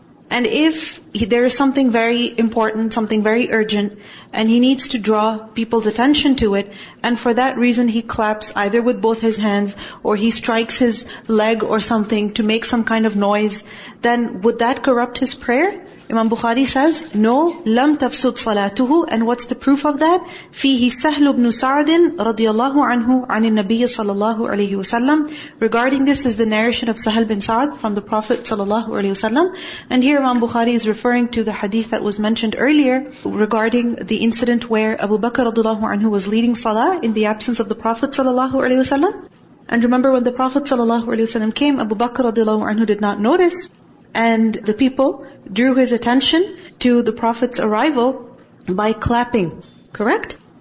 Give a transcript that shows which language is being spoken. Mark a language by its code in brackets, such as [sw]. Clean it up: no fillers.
[en] And if there is something very important, something very urgent, and he needs to draw people's attention to it, and for that reason he claps either with both his hands, or he strikes his leg or something to make some kind of noise, then would that corrupt his prayer? Imam Bukhari says, no, [ar] لم تفسد صلاته. [en] And what's the proof of that? [ar] فيه سهل بن سعد رضي الله عنه عن النبي صلى الله عليه وسلم. [en] Regarding this is the narration of Sahal bin Sa'd from the Prophet [ar] صلى الله عليه وسلم. [en] And here Imam Bukhari is referring to the hadith that was mentioned earlier regarding the incident where Abu Bakr [ar] رضي الله عنه [en] was leading salah in the absence of the Prophet [ar] صلى الله عليه وسلم. [en] And remember, when the Prophet [ar] صلى الله عليه وسلم [en] came, Abu Bakr [ar] رضي الله عنه [en] did not notice, and the people drew his attention to the Prophet's arrival by clapping, correct?